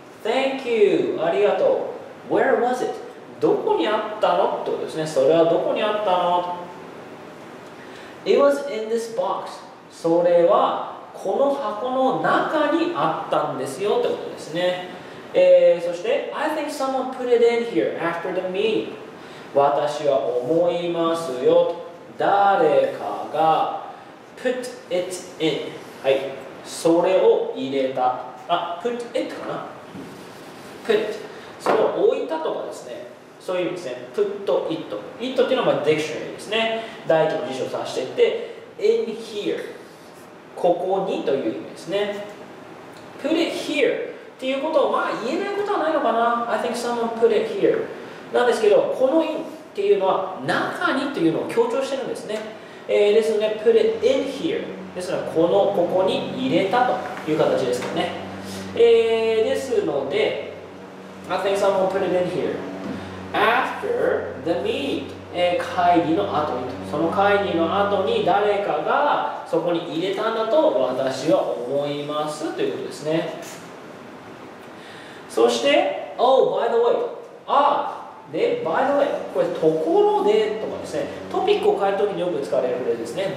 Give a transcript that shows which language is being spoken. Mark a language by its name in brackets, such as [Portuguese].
[English] Thank you! [Japanese] ありがとう。 [English] Where was it? [Japanese] どこにあったのということですね。それはどこにあったの [English] ?It was in this box. [Japanese] それはこの箱の中にあったんですよということですね。 [English] そして、I think someone put it in here after the meeting. [Japanese] 私は思いますよと。誰かが [English] put it in。 [Japanese] はい。それを入れた。あ、put it かな ?put it。それを置いたとかですね。そういう意味ですね。put it。 it っていうのはディクショナリーですね。大規模辞書を指していって、 [English] in here。 [Japanese] ここにという意味ですね。 [English] put it here。 [Japanese] っていうことを、まあ、言えないことはないのかな。 [English] I think someone put it here. [Japanese] なんですけど、この in っていうのは中にっていうのを強調してるんですね。 [English] ですので、put it in here. [Japanese] ですので、この、ここに入れたという形ですかね。 [English] ですので、I think someone put it in here. After the meet, [Japanese] 会議の後にと。その会議の後に誰かがそこに入れたんだと私は思いますということですね。 [English] そして、Oh, by the way. [Japanese] ああ、で、 [English] by the way. [Japanese] これ、ところでとかですね。トピックを変えるときによく使われるフレーズですね。